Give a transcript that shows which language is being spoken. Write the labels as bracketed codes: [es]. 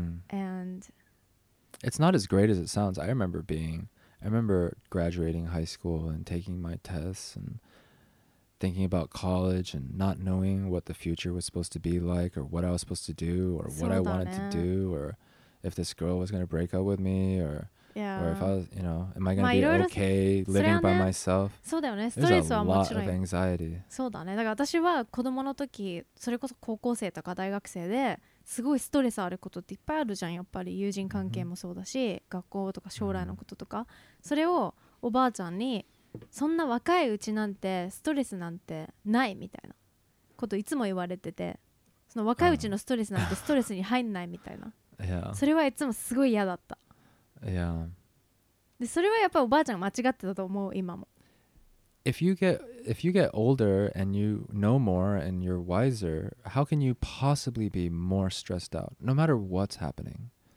[en] And it's not as great as it sounds. I remember graduating high school and taking my tests and thinking about college and not knowing what the future was supposed to be like or what I was supposed to do or what I wanted to do or if this girl was going to break up with me or, or if I was, you know, am I going to be okay living by myself? [ja] そうだよね。 [en] There's a lot of anxiety. [ja] そうだね。だから私は子供の時、それこそ高校生とか大学生ですごいストレスあることっていっぱいあるじゃん。やっぱり友人関係もそうだし、学校とか将来のこととか、それをおばあちゃんにそんな若いうちなんてストレスなんてないみたいなこといつも言われてて、その若いうちのストレスなんてストレスに入んないみたいな、それはいつもすごい嫌だった。いや、でそれはやっぱりおばあちゃんが間違ってたと思う。今も [en] If you get older and you know more and you're wiser, how can you possibly be more stressed out, no matter what's happening?